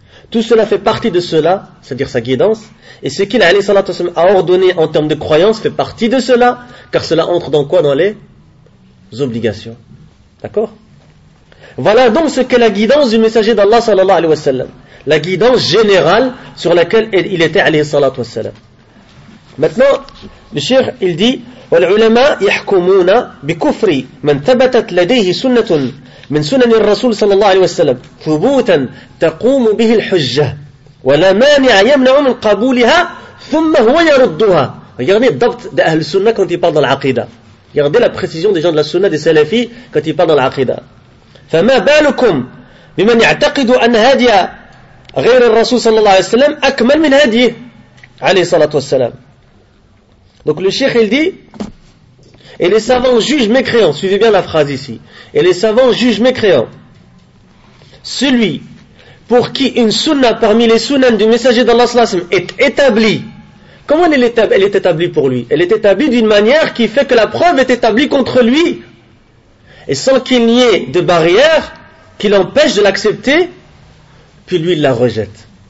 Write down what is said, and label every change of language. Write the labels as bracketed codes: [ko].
[fr] Tout cela fait partie de cela, c'est-à-dire sa guidance, et ce qu'il a, alayhi salatu wa sallam, a ordonné en termes de croyance fait partie de cela, car cela entre dans quoi? Dans les obligations. D'accord? Voilà donc ce qu'est la guidance du messager d'Allah sallallahu alayhi wa sallam. La guidance générale sur laquelle il était alayhi salatu wa sallam. Maintenant, le cheikh il dit [ar] وَالْعُلَمَا يَحْكُمُونَ بِكُفْرِ مَنْ تَبَتَتْ لَدَيْهِ سُنَّةٌ مِنْ سُنَنِ الرَّسُولِ صلى الله عليه وسلم ثُبُوتًا تَقُومُ بِهِ الْحُجَّةِ وَلَا مَانِعَ يَمْنَعُ مِنْ قَبُولِهَا ثُمَّ هُوَ يَرُدُّهَا. [fr] Regardez le dhabt d'Ahl Sunnah quand il parle dans l'aqidah. Regardez la précision des gens de la Sunnah, des Salafis, quand il parle dans l'aqidah. [ar] فما بالكم بمن يعتقد أن هدي غير الرسول صلى الله عليه وسلم أكمل من هدي عليه الصلاة والسلام. [fr] Donc le cheikh il dit, et les savants jugent mécréants, suivez bien la phrase ici, et les savants jugent mécréants celui pour qui une sunna parmi les sunnan du messager d'Allah sallallahu alayhi wa sallam est établie. Comment elle est établie pour lui? Elle est établie d'une manière qui fait que la preuve est établie contre lui, et sans qu'il n'y ait de barrière qui l'empêche de l'accepter, puis lui il la rejette.